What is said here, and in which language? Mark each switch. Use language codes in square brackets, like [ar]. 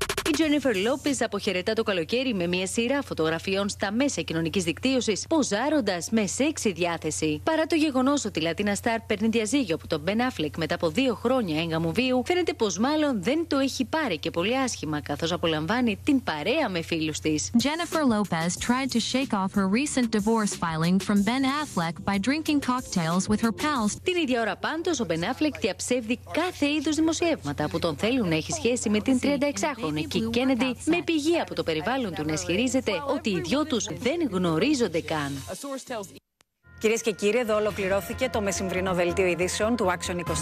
[el] Η Τζένιφερ Λόπεζ αποχαιρετά το καλοκαίρι με μια σειρά φωτογραφιών στα μέσα κοινωνικής δικτύωσης, ποζάροντας με σεξι διάθεση. Παρά το γεγονός ότι η Λατίνα Στάρ παίρνει διαζύγιο από τον Μπεν Αφλεκ μετά από 2 χρόνια έγκαμου βίου, φαίνεται πως μάλλον δεν το έχει πάρει και πολύ άσχημα, καθώς απολαμβάνει την παρέα με φίλους της. [en] Jennifer Lopez tried to shake off her recent divorce filing from Ben Affleck by drinking cocktails with her pals. [el] Την ίδια ώρα πάντως, ο Μπεν Αφλεκ διαψεύδει κάθε είδους δημοσιεύματα που τον θέλουν να έχει σχέση με την 36χρονη. Και η Κένεντι, με πηγή από το περιβάλλον του, να ισχυρίζεται ότι οι δυο τους δεν γνωρίζονται καν. Κυρίες και κύριοι, εδώ ολοκληρώθηκε το μεσημβρινό δελτίο ειδήσεων του Action 24.